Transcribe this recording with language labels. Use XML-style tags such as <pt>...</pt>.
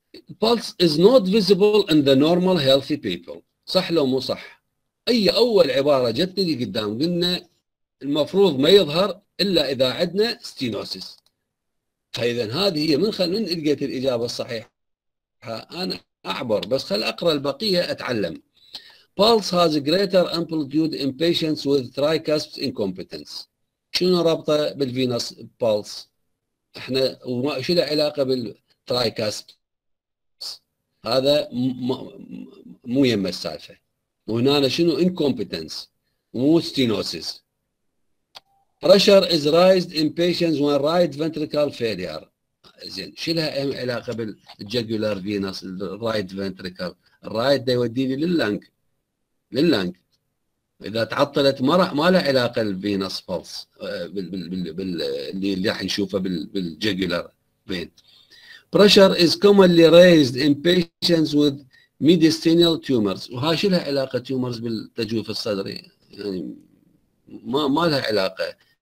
<en>البالس is not visible in the normal healthy people,</en> <ar>صح لو مو صح؟ اي اول عباره جتني قدام قلنا المفروض ما يظهر الا اذا عندنا ستينوسيس. فاذا هذه هي من لقيت الاجابه الصحيحه انا اعبر، بس خل اقرا البقيه اتعلم.</ar> <en>Pulse has greater amplitude in patients with tricuspid incompetence.</en> <ar>شنو ربطه بالفينوس بالس؟ احنا شو له علاقه بالتريكاسب؟ هذا مو يم السالفه. وهنا شنو انكومبتنس مو ستينوسيس.</ar> <en>Pressure is raised in patients when right ventricle failure.</en> <ar>زين شو لها علاقه بالجوجولار فينوس الرايت فنتريكل؟ الرايت ده يوديني لللانك، لللانك اذا تعطلت ما له علاقه بالفينوس بالس اللي راح نشوفه بالجوجولار فين.</ar> <en>Pressure is commonly raised in patients with mediastinal tumors.</en> <ar>وها شو لها علاقه تيومرز بالتجويف الصدري؟ يعني ما لها علاقه.</ar>